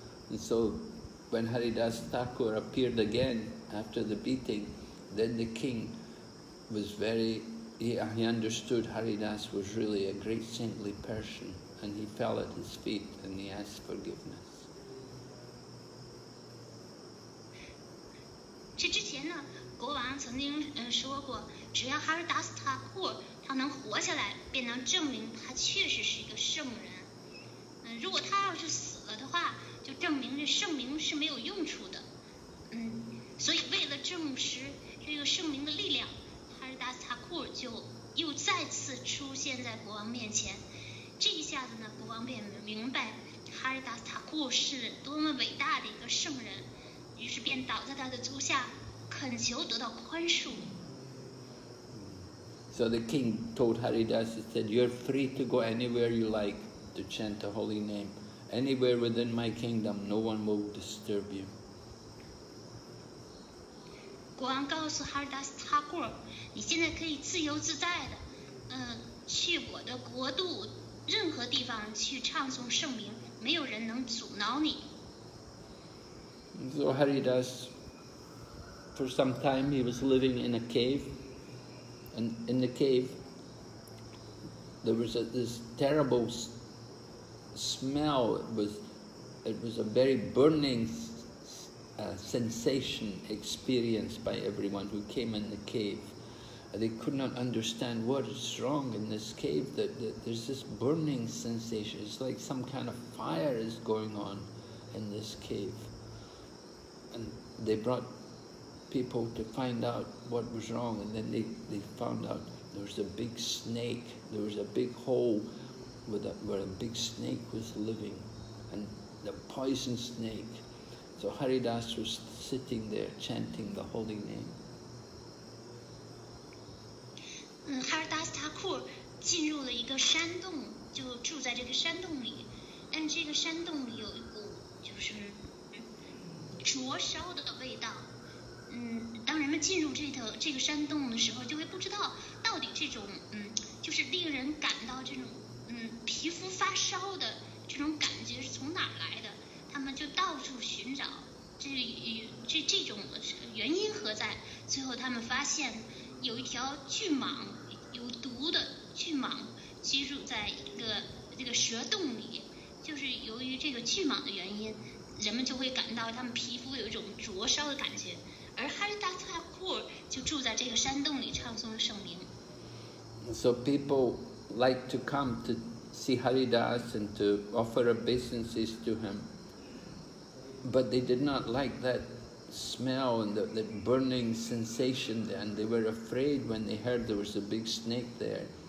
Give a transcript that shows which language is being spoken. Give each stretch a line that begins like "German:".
English: And so when Haridas Thakur appeared again after the beating, then the king was very... He understood Haridas was really a great saintly person, and he fell at his feet and he asked forgiveness.
Chinese: 这之前呢，国王曾经说过，只要哈尔达斯塔库尔他能活下来，便能证明他确实是一个圣人。如果他要是死了的话，就证明这圣名是没有用处的。所以为了证实这个圣名的力量。达斯塔库尔就又再次出现在国王面前，这一下子呢，国王便明白哈尔达斯塔库尔是多么伟大的一个圣人，于是便倒在他的足下，恳求得到宽恕。
English: So the king told Haridas, he said, "You're free to go anywhere you like to chant the holy name. Anywhere within my kingdom, no one will disturb you."
Chinese: 国王告诉哈尔达斯塔库尔。你现在可以自由自在的，去我的国度，任何地方去唱诵圣名，没有人能阻挠你。
English: So Haridas, for some time he was living in a cave, and in the cave there was this terrible smell. It was a very burning sensation experienced by everyone who came in the cave. They could not understand what is wrong in this cave, that there's this burning sensation. It's like some kind of fire is going on in this cave. And they brought people to find out what was wrong, and then they found out there was a big snake. There was a big hole where a big snake was living, and the poison snake. So Haridas was sitting there chanting the holy name.
Chinese: 哈尔达斯塔库尔进入了一个山洞，就住在这个山洞里。但这个山洞里有一股就是灼烧的味道。当人们进入这个山洞的时候，就会不知道到底这种就是令人感到这种皮肤发烧的这种感觉是从哪儿来的。他们就到处寻找这种原因何在。最后他们发现。有一条巨蟒，有毒的巨蟒居住在这个蛇洞里，就是由于这个巨蟒的原因，人们就会感到他们皮肤有一种灼烧的感觉，而哈尔达斯塔库尔就住在这个山洞里唱诵圣名。
English: So people like to come to see Haridas and to offer obeisances to him, but they did not like that. Smell and the burning sensation there, and they were afraid when they heard there was a big snake there.